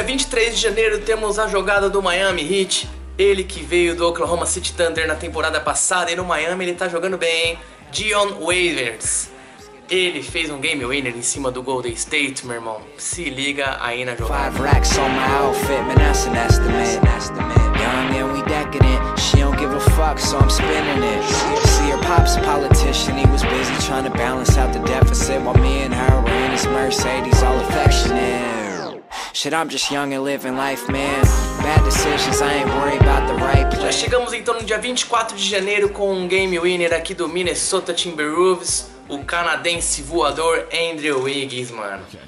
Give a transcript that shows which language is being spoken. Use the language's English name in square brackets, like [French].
[Portuguese] De janeiro temos a jogada do Miami Heat, ele que veio do Oklahoma City Thunder na temporada passada, e no Miami ele tá jogando bem, hein? Dion Waiters, ele fez um game winner em cima do Golden State, meu irmão, se liga aí na jogada. [English] Five racks on my outfit, man, that's an estimate. Young and we decadent, she don't give a fuck, so I'm spinning it. See her pops a politician, he was busy trying to balance out the deficit, while me and her were in his Mercedes, all affectionate. [Portuguese] Já chegamos então no dia 24 de janeiro com um game winner aqui do Minnesota Timberwolves, o canadense voador Andrew Wiggins, mano.